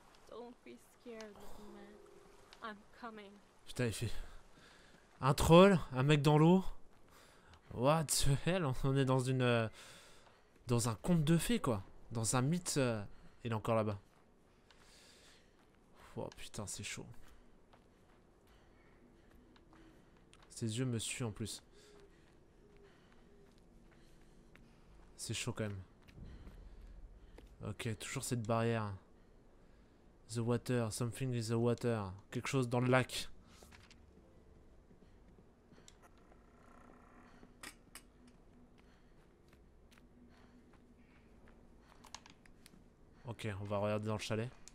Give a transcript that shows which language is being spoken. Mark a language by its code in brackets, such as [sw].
[en] Don't be scared, little man. I'm coming. [fr] Putain, il fait un troll, un mec dans l'eau. [en] What the hell? [fr] On est dans une dans un conte de fées quoi, dans un mythe. Il est encore là-bas. Oh putain, c'est chaud. Ses yeux me suent en plus. C'est chaud quand même. Ok, toujours cette barrière. [en] The water, something is the water. [fr] Quelque chose dans le lac. Ok, on va regarder dans le chalet.